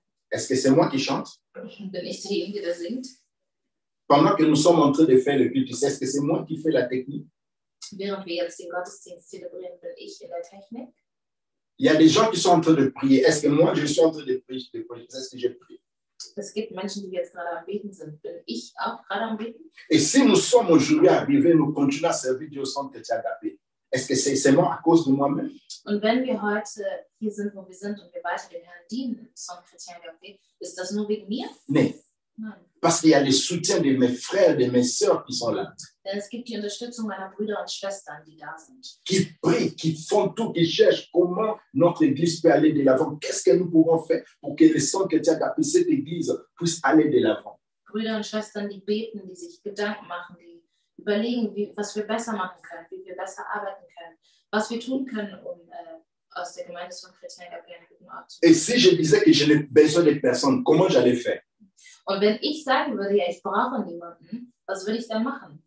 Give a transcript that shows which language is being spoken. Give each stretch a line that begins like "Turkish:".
French: Est-ce que c'est moi qui chante? Pendant que nous sommes en train de faire le culte, est-ce que c'est moi qui fais la technique? Il y a des gens qui sont en train de prier. Est-ce que moi je suis en train de prier? Est-ce que je prie?
German: Es gibt Menschen, die jetzt gerade am Beten sind. Bin ich auch gerade am Beten?
French: Et si nous sommes aujourd'hui arrivés, nous continuons à servir Dieu au Centre Chrétien Agape. Est-ce que c'est moi à cause de moi-même?
German: Und wenn wir heute hier sind, wo wir sind, und wir weiter den Herrn dienen, Centre Chrétien Agape, ist das nur wegen mir? Nein.
French: Parce qu'il y a le soutien de mes frères, de mes sœurs qui sont là.
German: Denn es gibt die Unterstützung meiner Brüder und Schwestern, die da sind.
French: Qui prient, qui font tout, qui cherchent comment notre église peut aller de l'avant. Qu'est-ce que nous pouvons faire pour que les centres chrétiens d'appui, cette église, puissent aller de l'avant.
German: Brüder und Schwestern, die beten, die sich Gedanken machen, die überlegen, wie, was wir besser machen können, wie wir besser arbeiten können, was wir tun können, um aus der Gemeinde von Chrétien Agape einen guten Ort zu machen.
French: Et si je disais que je n'ai besoin de personne, comment j'allais faire?
German: Und wenn ich sagen würde, ja, ich brauche niemanden, was würde ich dann machen?